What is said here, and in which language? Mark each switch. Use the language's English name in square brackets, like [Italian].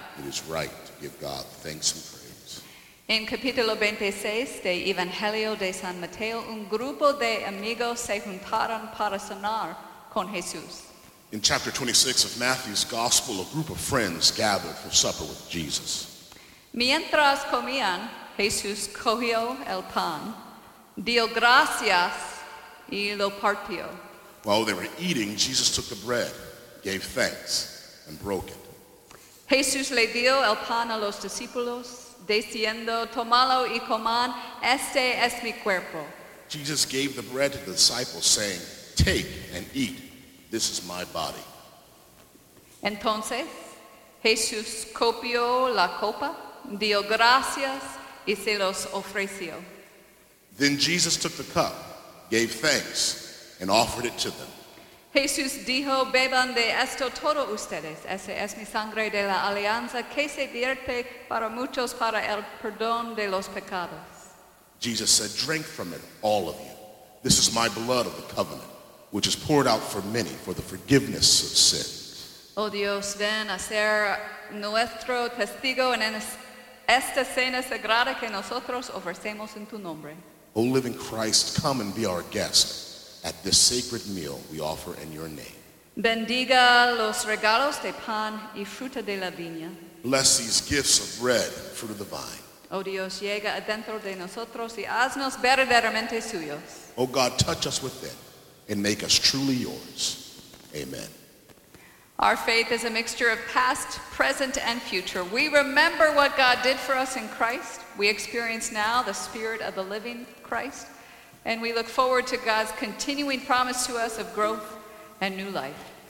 [English] It is right to give God thanks and praise. [Spanish] In capítulo 26 de Evangelio de San Mateo, un grupo de amigos se juntaron para cenar con Jesús. [English] In chapter 26 of Matthew's Gospel, a group of friends gathered for supper with Jesus. [Spanish] Mientras comían, Jesús cogió el pan, dio gracias y lo partió. [English] While they were eating, Jesus took the bread, gave thanks, and broke it. [Spanish] Jesús le dio el pan a los discípulos, diciendo, tomalo y coman, este es mi cuerpo. [English] Jesus gave the bread to the disciples, saying, take and eat, this is my body. [Spanish] Entonces, Jesús copió la copa, dio gracias y se los ofreció. [English] Then Jesus took the cup, gave thanks, and offered it to them. [Spanish] Jesús dijo, beban de esto todos ustedes. Ese es mi sangre de la alianza que se vierte para muchos para el perdón de los pecados. [English] Jesus said, drink from it, all of you. This is my blood of the covenant, which is poured out for many for the forgiveness of sins. [Spanish] Oh Dios, ven a ser nuestro testigo en esta cena sagrada que nosotros ofrecemos en tu nombre. [English] O living Christ, come and be our guest at this sacred meal we offer in your name. [Spanish] Bendiga los regalos de pan y fruta de la viña. [English] Bless these gifts of bread and fruit of the vine. [Spanish] O Dios, llega adentro de nosotros y haznos verdaderamente suyos. [English] O God, touch us within and make us truly yours. Amen. Our faith is a mixture of past, present, and future. We remember what God did for us in Christ. We experience now the spirit of the living Christ. And we look forward to God's continuing promise to us of growth and new life.